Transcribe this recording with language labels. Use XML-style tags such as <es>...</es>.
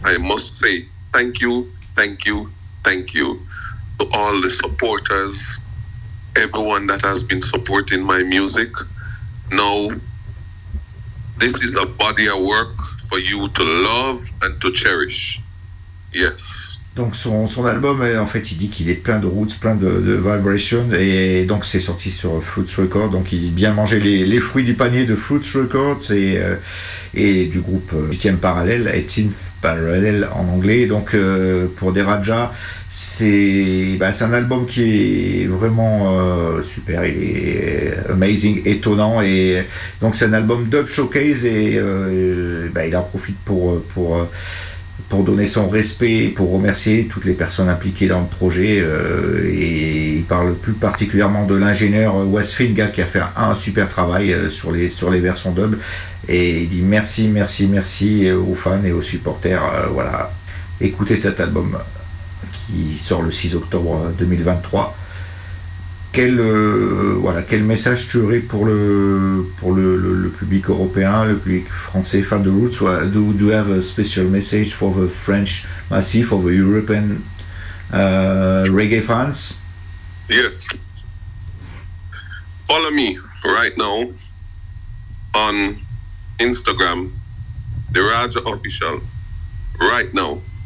<en>I must say thank you to all the supporters, everyone that has been supporting my music. Now, this is a body of work for you to love and to cherish. Yes.</en> <fr>Donc son album, en fait, il dit qu'il est plein de roots, plein de vibrations, et donc c'est sorti sur Fruits Records. Donc il dit bien manger les fruits du panier de Fruits Records et du groupe 8e parallèle, 18th parallèle en anglais. Donc pour Derajah, c'est un album qui est vraiment super, il est amazing, étonnant, et donc c'est un album dub showcase, et il en profite pour donner son respect, pour remercier toutes les personnes impliquées dans le projet, et il parle plus particulièrement de l'ingénieur Wes Finga qui a fait un super travail sur les versions dub, et il dit merci aux fans et aux supporters. Voilà, écoutez cet album qui sort le 6 octobre 2023. Quel message tu aurais pour le public européen, le public français, fan de roots?</fr> <en>Do you have a special message for the French massif, for the European reggae fans? Yes. Follow me right now on Instagram, Derajah Official, right now.</en>